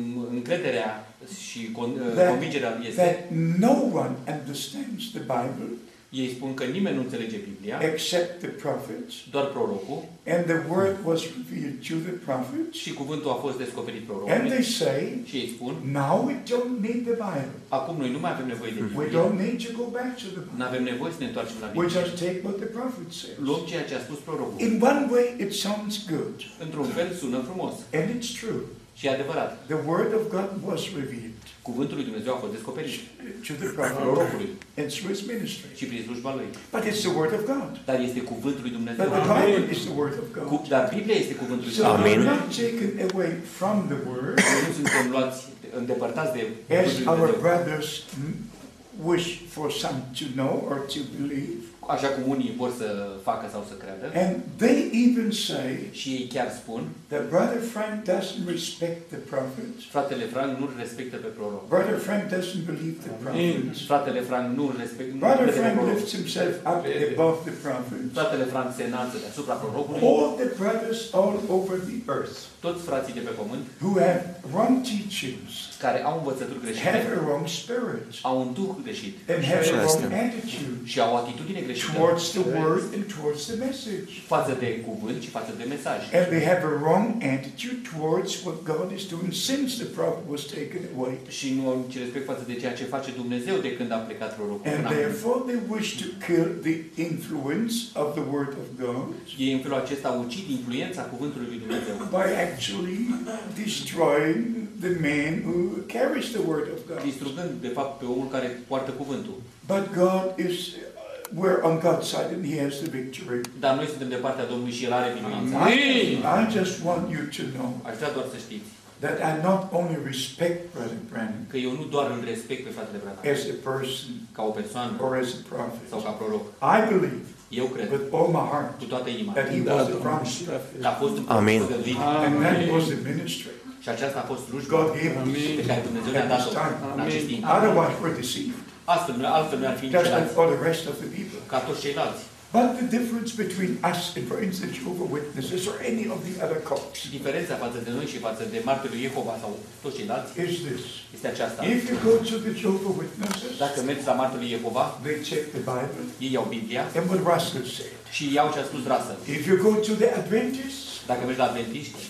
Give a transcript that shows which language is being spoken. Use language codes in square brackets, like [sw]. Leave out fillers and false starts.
[ro] Încrederea și convingerea este [en] that no one understands the Bible. [ro] Ei spun că nimeni nu înțelege Biblia, [en] except the prophets, [ro] doar prorocul, [en] and the word was revealed to the prophets, [ro] și cuvântul a fost descoperit prorocului. [en] And they say, [ro] și ei spun, [en] now we don't need the Bible. [ro] Acum noi nu mai avem nevoie de Biblie. [en] We don't need to go back to the Bible. [ro] Nu avem nevoie să ne întoarcem la Biblie. [en] We just take what the prophet says. [ro] Luăm ceea ce a spus prorocul. [en] In one way it sounds good. [ro] Într-un fel sună frumos. [en] And it's true. [ro] Și e adevărat. [en] The word of God was revealed. [ro] Cuvântul lui Dumnezeu a fost descoperit. [en] To the prophet. And through his ministry. [ro] Și prin slujba lui. [en] But it's the word of God. [ro] Dar este cuvântul lui Dumnezeu. [en] But the Bible is the word of God. [ro] Dar Biblia este cuvântul lui Dumnezeu. [en] So we're not taken away from the word. [ro] Nu suntem luați, îndepărtați de cuvântul lui Dumnezeu. [en] As our brothers wish for some to know or to believe. [ro] Așa cum unii vor să facă sau să creadă. [en] And they even say, [ro] și ei chiar spun, [en] that Brother Frank doesn't respect the prophets. [ro] Fratele Frank nu respectă pe proroc. [en] Brother Frank doesn't believe the prophets. [ro] Fratele Frank nu respectă. [en] Brother Frank lifts himself up above the prophets. [ro] Fratele Frank se înalță deasupra prorocului. [en] All the brothers all over the earth. [ro] Toți frații de pe pământ. [en] Who have wrong teachings. [ro] Care au învățături greșite. [en] Have a wrong spirit. [ro] Au un duh greșit. [en] And have a wrong attitude. [ro] Și au atitudine [en] towards the word and towards the message. [ro] Față de cuvânt și față de mesaj. [en] And they have a wrong attitude towards what God is doing since the prophet was taken away. [ro] Și nu au nici respect față de ceea ce face Dumnezeu de când a plecat prorocul. [en] And therefore they wish to kill the influence of the word of God. [ro] Ei în felul acesta ucid influența cuvântului lui Dumnezeu. [en] By actually destroying the man who carries the word of God. [ro] Distrugând de fapt pe omul care poartă cuvântul. [en] But God is we're on God's side and he has the victory. [ro] Dar noi suntem de partea Domnului și el are biruința. [en] I just want you to know. [ro] Aș vrea doar să știți. [en] That I not only respect Brother Branham. [ro] Că eu nu doar îl respect pe fratele Branham. [en] As a person. [ro] Ca o persoană. [en] Or as a prophet. [ro] Sau ca proroc. [en] I believe. [ro] Eu cred. [en] With all my heart. [ro] Cu toată inima. [en] That he was a wrong prophet. [ro] A fost un amin. [en] And that was a ministry. [ro] Și aceasta a fost slujba. [en] God gave [ro] pe care Dumnezeu ne-a dat-o. [en] Amin. Otherwise we're deceived. [ro] Altfel nu ar fi niciodată ca toți ceilalți. [en] But the difference between us and, for instance, Jehovah Witnesses or any of the other cults. [ro] Diferența față de noi și față de martorii Jehova sau toți ceilalți. [en] Is this? [ro] Este aceasta. [en] If you go to the Jehovah Witnesses, [ro] dacă mergi la martorii Jehova, [en] they check the Bible. [ro] Ei iau Biblia. [en] And what Russell said. [ro] Și iau ce a spus Russell. [en] If you go to the Adventists, [ro] dacă mergi la Adventiști,